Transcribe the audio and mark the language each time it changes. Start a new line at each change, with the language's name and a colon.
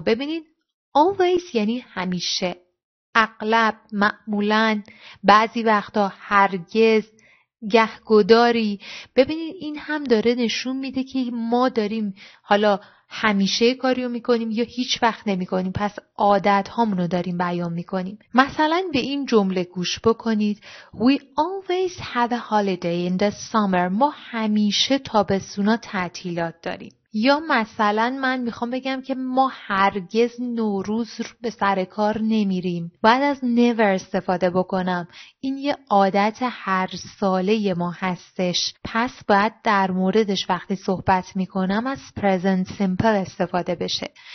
Persian: ببینید always یعنی همیشه، اغلب، معمولاً، بعضی وقتا، هرگز، گهگداری. ببینید این هم داره نشون میده که ما داریم حالا همیشه کاریو میکنیم یا هیچ وقت نمیکنیم، پس عادت هامونو داریم بیان میکنیم. مثلا به این جمله گوش بکنید.
English: We always have a holiday in the summer.
Persian: ما همیشه تابستونا تعطیلات داریم. یا مثلا من میخوام بگم که ما هرگز نوروز رو به سر کار نمیریم. بعد از never استفاده بکنم. این یه عادت هر ساله ما هستش. پس بعد در موردش وقتی صحبت میکنم از present simple استفاده بشه.